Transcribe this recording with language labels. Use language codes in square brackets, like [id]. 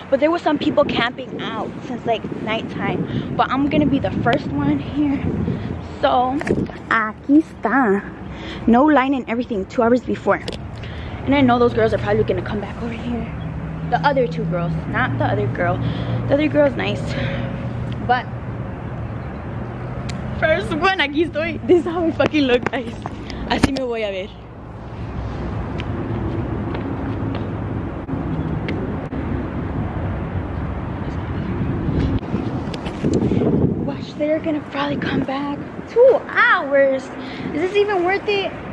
[en] But there were some people camping out since like nighttime. But I'm gonna be the first one here. So, [es] aquí está. [en] No line and everything, 2 hours before. And I know those girls are probably gonna come back over here. The other two girls, not the other girl. The other girl's nice. But, first one, [es] aquí estoy. [en] This is how I fucking look, guys. [es] Así me voy a ver. [en] Watch, they're gonna probably come back. 2 hours. Is this even worth it?